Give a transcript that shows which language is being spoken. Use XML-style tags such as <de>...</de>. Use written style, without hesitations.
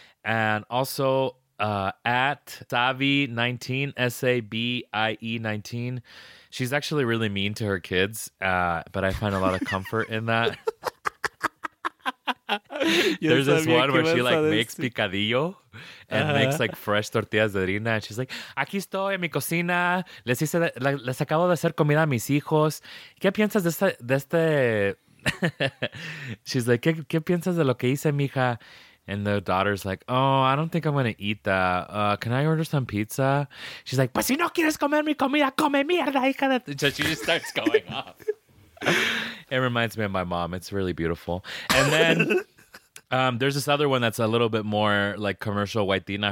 <en>And also at Savi19, S-A-B-I-E-19. She's actually really mean to her kids, but I find a lot of comfort in that. There's this one where she like makes picadillo and makes like fresh tortillas de harina. And she's like,</en> <es>aquí estoy en mi cocina. Les acabo de hacer comida a mis hijos. ¿Qué piensas de este?</es> <en>She's like,</en> <es>¿Qué piensas de lo que hice, mija?</es> <en>And the daughter's like, oh, I don't think I'm going to eat that. Can I order some pizza? She's like,</en> <es>pues si no quieres comer mi comida, come mierda, hija de...</es> <en>So she just starts going off. It reminds me of my mom. It's really beautiful. And then there's this other one that's a little bit more like commercial white Tina.</en>